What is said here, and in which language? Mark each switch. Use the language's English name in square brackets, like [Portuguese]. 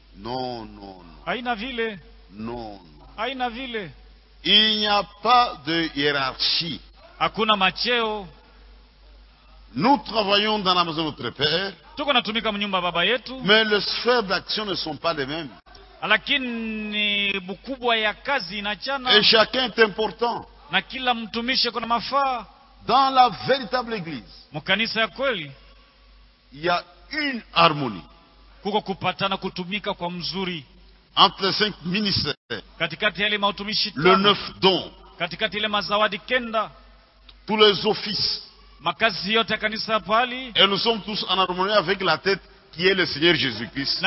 [French] No. [Swahili] Haina vile. [French] No. [Swahili] Haina vile. [French] Il n'y a pas de hiérarchie. [Swahili] Hakuna macheo. [French] Nous travaillons dans la maison de notre père. [Swahili] Tuko natumika mnyumba baba yetu. [French] Mais les sphères d'action ne sont pas les mêmes. [Swahili] Lakini bukubwa ya kazi inachana. [French] Et chacun est important. [Swahili] Na kila mtumishi kuna mafaa. [French] Dans la véritable église. [Swahili] Mkanisa ya kweli. [French] Il y a une harmonie. [Swahili] Kuko kupatana kutumika kwa mzuri. [French] Entre les cinq ministères, le neuf dons, tous les offices, et nous sommes tous en harmonie avec la tête qui est le Seigneur Jésus-Christ.